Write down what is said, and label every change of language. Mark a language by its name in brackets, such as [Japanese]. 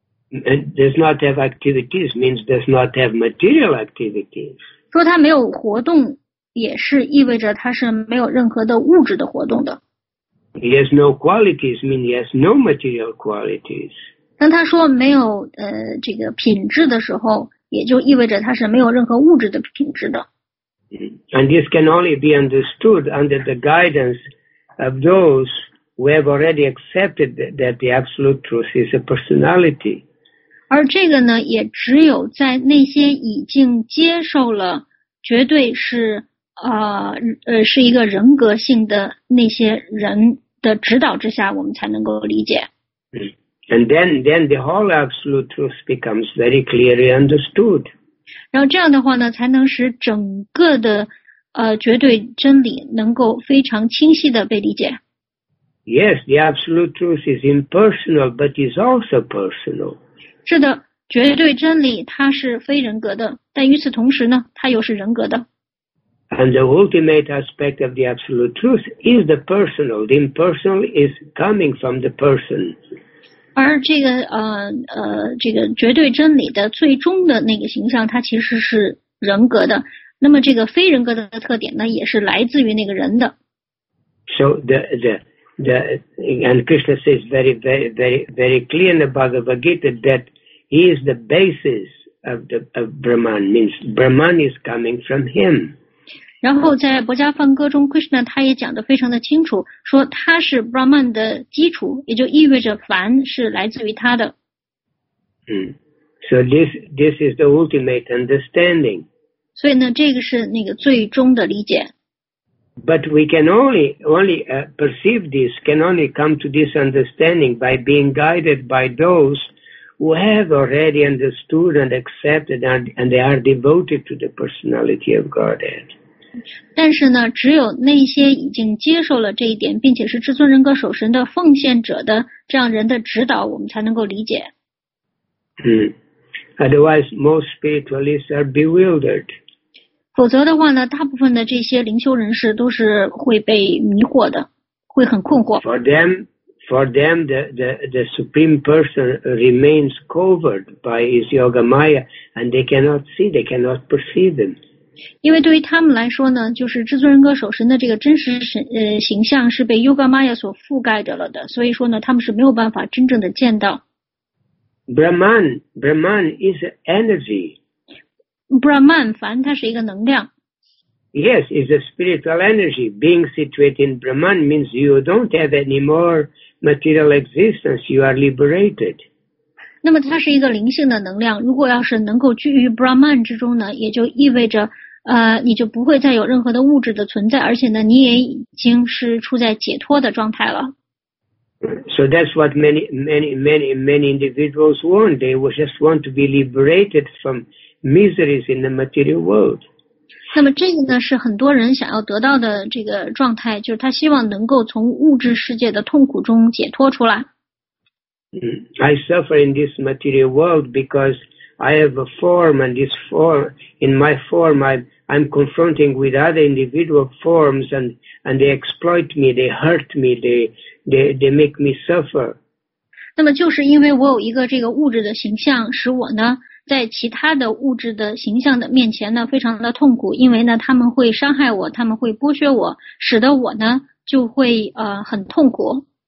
[English] And does not have activities means does not have material activities. [Chinese] 说他没有活动，也是意味着他是没有任何的物质的活动的。 [English] He has no qualities, means he has no material qualities. [Chinese] 当他说没有这个品质的时候，也就意味着他是没有任何物质的品质的。 [English] And this can only be understood under the guidance of those who have already accepted that the absolute truth is a personality. [Chinese] 而这个呢，也只有在那些已经接受了绝对是是一个人格性的那些人的指导之下，我们才能够理解。 [English] And then the whole absolute truth becomes very clearly understood. [Chinese] 然后这样的话呢，才能使整个的绝对真理能够非常清晰的被理解。 [English] Yes, the absolute truth is impersonal, but is also personal. [Chinese] 是的，绝对真理它是非人格的，但与此同时呢，它又是人格的。 [English] And the ultimate aspect of the absolute truth is the personal. The impersonal is coming from the person. [Chinese] 而这个这个绝对真理的最终的那个形象，它其实是人格的。那么这个非人格的特点呢，也是来自于那个人的。 [English] So the and Krishna says very clear in the Bhagavad Gita that he is the basis of Brahman. Means Brahman is coming from him. [Chinese] 然后在《薄伽梵歌》中 ，Krishna 他也讲得非常的清楚，说他是 Brahman 的基础，也就意味着梵是来自于他的。 [English] So this is the ultimate understanding. [Chinese] 所以呢，这个是那个最终的理解。 [English] But we can only perceive this, can only come to this understanding by being guided by those who have already understood and accepted and they are devoted to the personality of Godhead. [Chinese] 但是呢，只有那些已经接受了这一点，并且是至尊人格守神的奉献者的这样人的指导，我们才能够理解。 [English] Otherwise, most spiritualists are bewildered. [Chinese] 否则的话呢，大部分的这些灵修人士都是会被迷惑的，会很困惑。 [English] For them, the supreme person remains covered by his yoga maya, and they cannot see, they cannot perceive him. [Chinese] 因为对于他们来说呢，就是至尊人格守神的这个真实形象是被 Yoga Maya 所覆盖着了的，所以说呢，他们是没有办法真正的见到。 [English] Brahman is energy. [Chinese] Brahman, 凡它是一个能量。 [English] Yes, it's a spiritual energy. Being situated in Brahman means you don't have any more material existence. You are liberated. [Chinese] 那么它是一个灵性的能量，如果要是能够居于 Brahman 之中呢，也就意味着你就不会再有任何的物质的存在，而且呢你也已经是处在解脱的状态了。 [English] So that's what many individuals want. They just want to be liberated from miseries in the material world. [Chinese] 那么这个呢是很多人想要得到的这个状态，就是他希望能够从物质世界的痛苦中解脱出来。 [English] I suffer in this material world because I have a form, and this form, in my form, I'm confronting with other individual forms, and they exploit me, they hurt me, they make me suffer. [Chinese] 那么就是因为我有一个这个物质的形象，使我呢在其他的物质的形象的面前呢非常的痛苦，因为呢他们会伤害我，他们会剥削我，使得我呢就会很痛苦。